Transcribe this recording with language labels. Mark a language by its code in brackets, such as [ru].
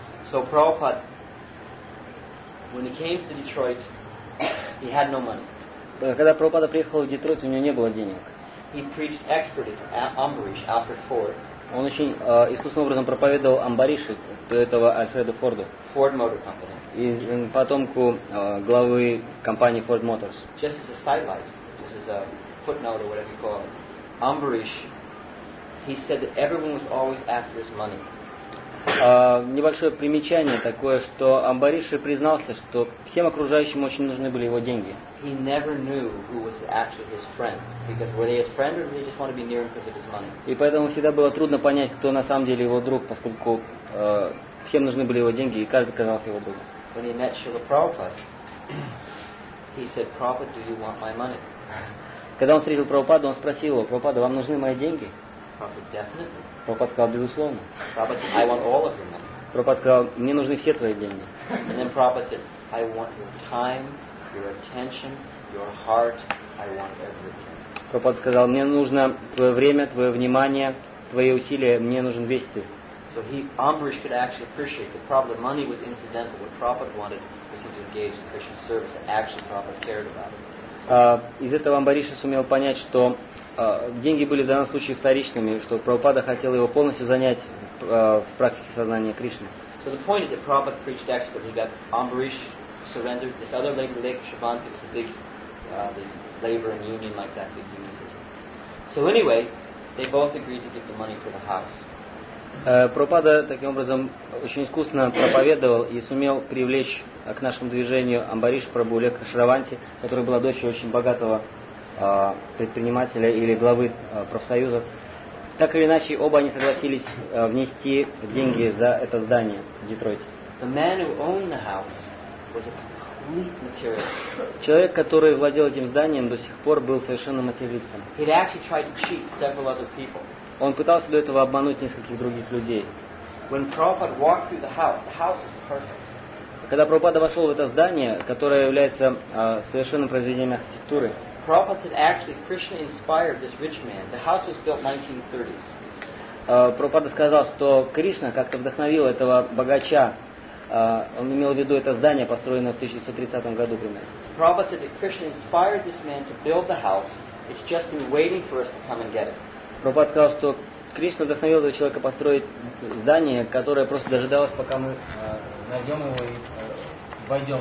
[en] So Prabhupada, when he came to Detroit, he had no money. [ru] Когда Прабхупада приехал в Детройт, у него не было денег. [en] He preached expertly to Ambarish, Alfred Ford. [ru] Он очень искусным образом проповедовал Амбариши, до этого Альфреду Форду. [en] Ford Motor Company. [ru] И потомку главы компании Ford Motors. [en] Just as a sidelight, this is a footnote or whatever you call it. Ambarish, he said that everyone was always after his money. [ru] Небольшое примечание такое, что Амбариши признался, что всем окружающим очень нужны были его деньги. [en] He never knew who was actually his friend, because were they his friend or did they just want to be near him because of his money? [ru] И поэтому всегда было трудно понять, кто на самом деле его друг, поскольку всем нужны были его деньги, и каждый казался его другом. [en] When he met Srila Prabhupada, he said, "Prabhupada, do you want my money?" [ru] Когда он встретил Прабхупаду, он спросил его: "Прабхупада, вам нужны мои деньги?" [en] Prabhupada, definitely. [ru] Прабхупада сказал: "Безусловно." [en] Prabhupada said, "I want all of your money." [ru] Прабхупада сказал: "Мне нужны все твои деньги." [en] And then Prabhupada said, "I want your time, your attention, your heart. I want everything." [ru] Прабхупада сказал: "Мне нужно твое время, твое внимание, твои усилия. Мне нужен весь ты." [en] So he, Ambarish, could actually appreciate that Prabhupada, money was incidental. What Prabhupada wanted was to engage in Krishna's service, and actually Prabhupada cared about it. [ru] Из этого Амбариша сумел понять, что деньги были в данном случае вторичными, что Прабхупада хотел его полностью занять в практике сознания Кришны. [en] So the point is that Prabhupada preached expertly, got Ambarish surrendered, this other lady, Lake Shivanti, was a big the labor and union like that, big union. So anyway, they both agreed to give the money for the house. [ru] Прабхупада таким образом очень искусно проповедовал и сумел привлечь к нашему движению Амбариш Прабху Лека Шраванти, которая была дочерью очень богатого предпринимателя или главы профсоюза. Так или иначе, оба они согласились внести деньги за это здание в Детройте. [en] The man who owned the house was a complete materialist. [ru] Человек, который владел этим зданием, до сих пор был совершенно материалистом. [en] He had actually tried to cheat several other people. [ru] Он пытался до этого обмануть нескольких других людей. [en] When Prabhupada walked through the house was perfect. [ru] Когда Прабхупада вошел в это здание, которое является совершенным произведением архитектуры, [en] Prabhupada said, actually, Krishna inspired this rich man. The house was built 1930s. [ru] Прабхупада сказал, что Кришна как-то вдохновил этого богача. Он имел в виду это здание, построенное в 1930 году примерно. [en] Prabhupada said that Krishna inspired this man to build the house. It's just been waiting for us to come and get it. [ru] Прабхупада сказал, что Кришна вдохновил этого человека построить здание, которое просто дожидалось, пока мы найдем его и войдем.